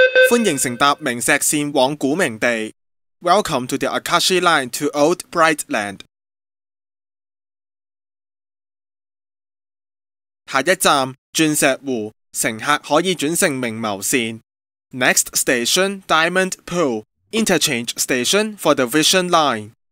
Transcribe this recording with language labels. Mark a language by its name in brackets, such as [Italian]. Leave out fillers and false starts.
[Chinese] 欢迎乘搭明石线往古明地。 [English] Welcome to the Akashi Line to Old Brightland. [Chinese] 下一站钻石湖，乘客可以转乘明眸线。 [English] Next station Diamond Pool, interchange station for the Vision Line.